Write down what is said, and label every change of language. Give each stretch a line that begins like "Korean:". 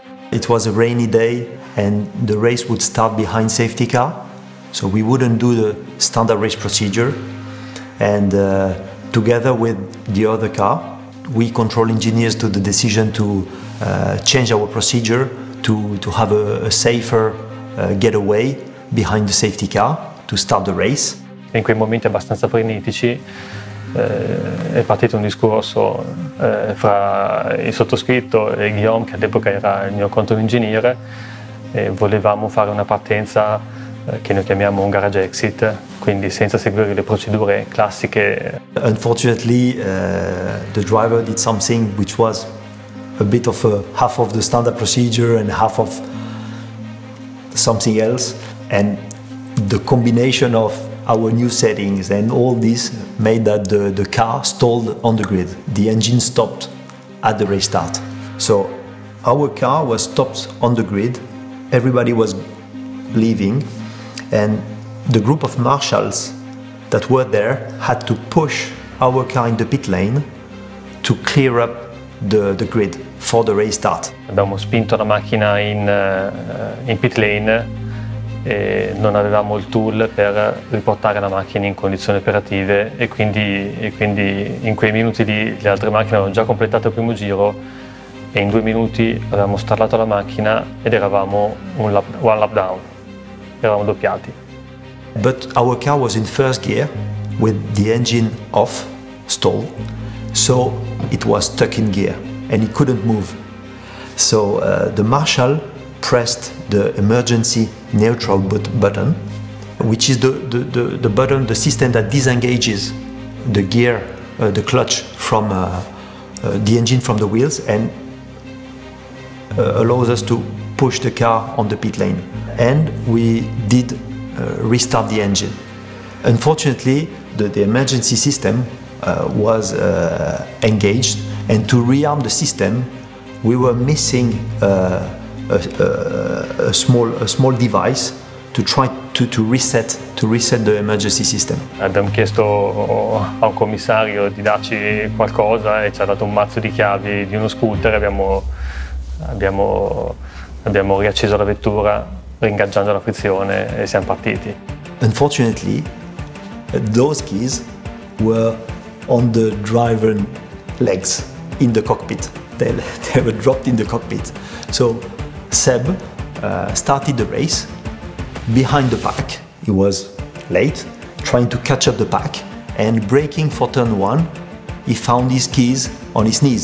English: It was a rainy day and the race would start behind safety car, so we wouldn't do the standard race procedure, and together with the other car we control engineers took the decision to change our procedure to have a safer getaway behind the safety car to start the race.
Italian: In quei momenti abbastanza frenetici è partito un discorso fra il sottoscritto e Guillaume, che all'epoca era il mio controingegnere, e volevamo fare una partenza che noi chiamiamo un garage exit, quindi senza seguire le procedure classiche.
English: Unfortunately, the driver did something which was a bit of a half of the standard procedure and half of something else, and the combination of our new settings and all this made that the car stalled on the grid. The engine stopped at the restart. So our car was stopped on the grid, everybody was leaving, and the group of marshals that were there had to push our car in the pit lane to clear up the grid for the restart.
Italian: Abbiamo spinto la macchina in pit lane e non avevamo il tool per riportare la macchina in condizioni operative, e quindi in quei minuti lì le altre macchine avevano già completato il primo giro e in due minuti avevamo starlato la macchina ed eravamo
English: one lap down,
Italian: eravamo doppiati.
English: But our car was in first gear with the engine off, stall, so it was stuck in gear and it couldn't move. So the marshal pressed the emergency neutral button, which is the button, the system that disengages the gear, the clutch from the engine from the wheels, and allows us to push the car on the pit lane. And we did restart the engine. Unfortunately, the emergency system was engaged, and to rearm the system, we were missing a small device to try to reset the emergency system.
Italian: Abbiamo chiesto a un commissario di darci qualcosa e ci ha dato un mazzo di chiavi di uno scooter. Abbiamo riacceso la vettura, ringaggiando la frizione, e siamo partiti.
English: Unfortunately, those keys were on the driver's legs in the cockpit. They were dropped in the cockpit. So Seb started the race behind the pack. He was late, trying to catch up the pack, and braking for turn one, he found his keys on his knees.